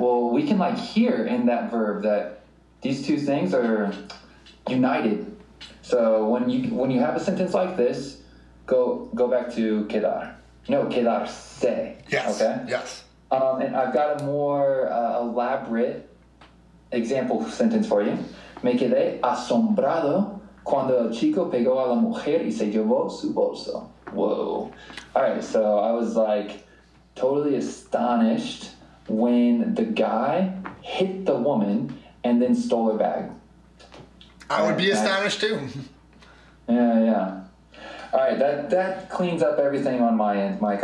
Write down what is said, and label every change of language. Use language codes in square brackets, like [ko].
[en] Well, we can like hear in that verb that these two things are united. So when you have a sentence like this, go back to quedar. No, quedar se. Yes. Okay? Yes. And I've got a more elaborate example sentence for you. [es] Me quedé asombrado cuando el chico pegó a la mujer y se llevó su bolso. [en] Whoa. All right, so I was like totally astonished when the guy hit the woman and then stole her bag. I would be astonished too. Yeah, yeah. All right, that cleans up everything on my end, Mike.